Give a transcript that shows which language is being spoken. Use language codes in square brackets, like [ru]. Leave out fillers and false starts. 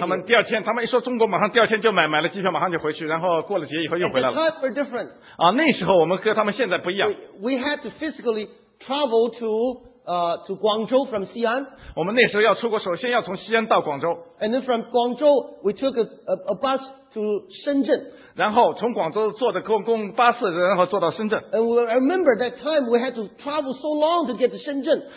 [zh] 他们第二天他们一说中国马上第二天就买了机票马上就回去然后过了节以后又回来了。 [en] At the time were different. [zh] 那时候我们和他们现在不一样。 [en] We had to physically travel to Guangzhou from Xi'an. [zh] 我们那时候要出国，首先要从西安到广州。 [en] And then from Guangzhou, we took a bus to Shenzhen. [zh] 然后从广州坐的公巴士，然后坐到深圳。 [en] And I remember that time we had to travel so long to get to Shenzhen.